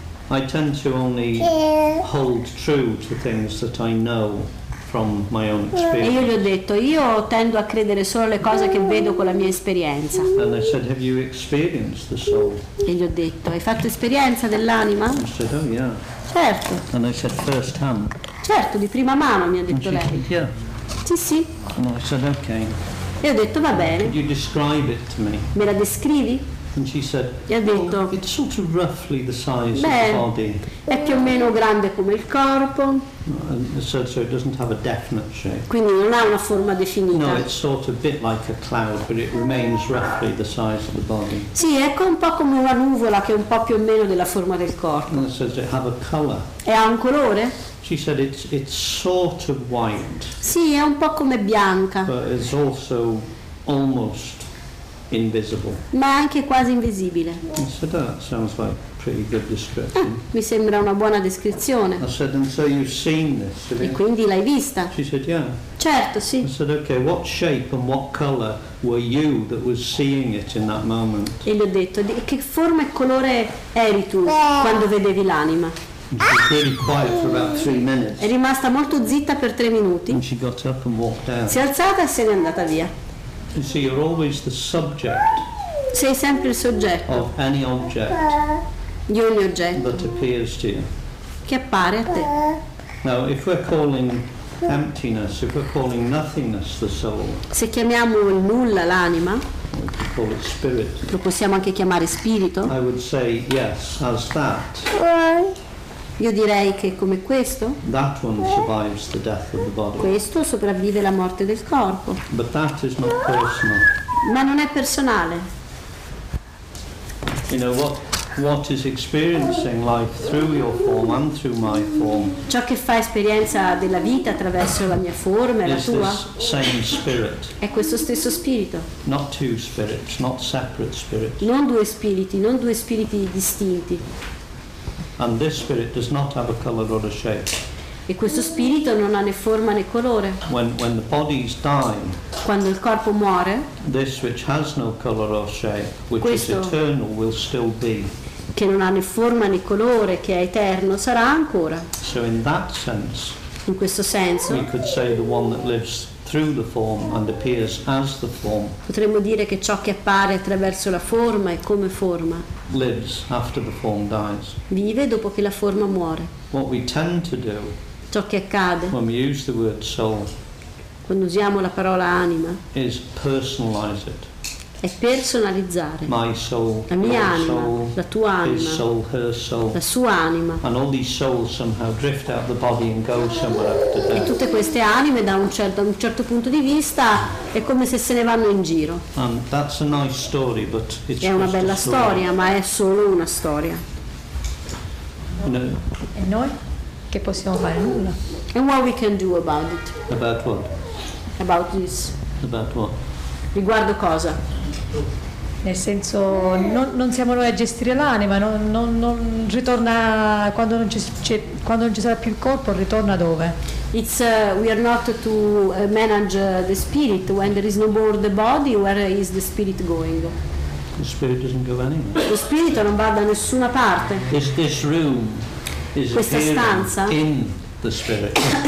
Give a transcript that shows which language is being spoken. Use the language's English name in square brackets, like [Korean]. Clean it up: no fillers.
[English] I tend to only hold true to things that I know from my own experience. [Italian] E io gli ho detto, io tendo a credere solo alle cose che vedo con la mia esperienza. [English] And I said, have you experienced the soul? [Italian] E gli ho detto, hai fatto esperienza dell'anima? [English] I said, oh yeah. [Italian] Certo. [English] And I said, first hand. [Italian] Certo, di prima mano, mi ha detto lei. [English] Said, yeah. [Italian] Sì, sì. [English] And I said, okay. [Italian] E ho detto, va bene. [English] Could you describe it to me? [Italian] Me la descrivi? [English] And she said, [Italian] e ha detto, [English] oh, it's sort of roughly the size of the body. [Italian] È più o meno grande come il corpo. [English] So it doesn't have a definite shape. [Italian] Quindi non ha una forma definita. [English] No, it's sort of a bit like a cloud, but it remains roughly the size of the body. [Italian] Sì, è un po' come una nuvola che è un po' più o meno della forma del corpo. [English] And so it have a color. [Italian] E ha un colore? [English] She said it's sort of white. [Italian] Sì, è un po' come bianca. [English] But it's also almost invisible. [Italian] Ma è anche quasi invisibile. [English] So that sounds like pretty good description. [Italian] Mi sembra una buona descrizione. [English] I said, and so you've seen this. [Italian] E quindi l'hai vista? [English] She said, yeah. [Italian] Certo, sì. [English] I said, okay, what shape and what color were you that was seeing it in that moment? [Italian] E gli ho detto, che forma e colore eri tu quando vedevi l'anima? [English] And she was really quiet for about 3 minutes. [Italian] È rimasta molto zitta per 3 minuti. [English] And she got up and walked out. [Italian] Si è alzata e se n'è andata via. [English] You see, you're always the subject. [Italian] Sei sempre il soggetto. [English] Of any object. [Italian] Di ogni oggetto. [English] That appears to you. [Italian] Che appare a te. [English] Now, if we're calling emptiness, if we're calling nothingness the soul. [Italian] Se chiamiamo il nulla l'anima. [English] We call it spirit. [Italian] Lo possiamo anche chiamare spirito. [English] I would say yes, as that. [Italian] Io direi che come questo. [English] That one survives the death of the body. [Italian] Questo sopravvive la morte del corpo. [English] But that is not personal. [Italian] Ma non è personale. [English] You know what is experiencing life through your form and through my form. [Italian] Ciò che fa esperienza della vita attraverso la mia forma e la tua. [English] Same spirit. [Italian] È questo stesso spirito. [English] Not two spirits, not separate spirits. [Italian] Non due spiriti distinti. [English] And this spirit does not have a color or a shape. [Italian] E questo spirito non ha né forma né colore. [English] When the body is dying. [Italian] Quando il corpo muore. [English] This which has no color or shape, which is eternal, will still be. [Italian] Che non ha né forma né colore, che è eterno, sarà ancora. [English] So in that sense. [Italian] In questo senso. [English] We could say the one that lives through the form and appears as the form. [Italian] Potremmo dire che ciò che appare attraverso la forma è come forma. [English] Lives after the form dies. [Italian] Vive dopo che la forma muore. [English] What we tend to do. [Italian] Ciò che accade. [English] When we use the word soul. [Italian] Quando usiamo la parola anima. [English] Is personalize it. [Italian] È personalizzare. [English] My soul. [Italian] La mia anima. [English] Soul, [Italian] la tua anima. [English] His soul, her soul. [Italian] La sua anima. [English] And all these souls somehow drift out of the body and go somewhere after death. [Italian] E tutte queste anime da un certo punto di vista è come se se ne vanno in giro. [English] And that's a nice story, but it's [Italian] è una bella storia, ma è solo una storia. No. E noi che possiamo fare nulla? [English] And what we can do about it? About what? About this. About what? [Italian] Riguardo cosa? nel senso non siamo noi a gestire l'anima, non ritorna quando quando non ci sarà più il corpo, ritorna dove? [English] It's we are not to manage the spirit when there is no more the body, where is the spirit going? The spirit doesn't go anywhere. [Italian] Lo spirito non va da nessuna parte. [English] This room is [Italian] questa stanza [English] in the spirit.